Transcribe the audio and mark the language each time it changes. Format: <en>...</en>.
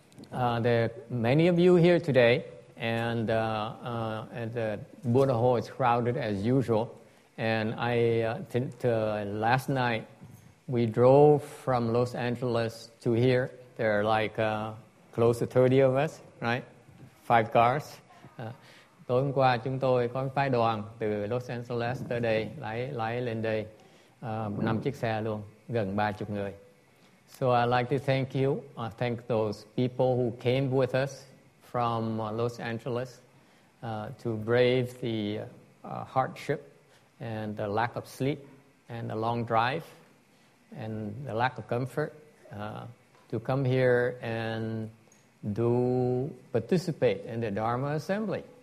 <en>There are many of you here today, and the Buddha Hall is crowded as usual. And I last night we drove from Los Angeles to here. There are like close to 30 of us, right? 5 cars.</en> <vi>Tối hôm qua chúng tôi có phái đoàn từ Los Angeles tới đây lái lên đây 5 chiếc xe luôn, gần 30 người.</vi> <en>So I'd like to thank you. I thank those people who came with us from Los Angeles to brave the hardship and the lack of sleep, and the long drive, and the lack of comfort to come here and do participate in the Dharma Assembly.</en>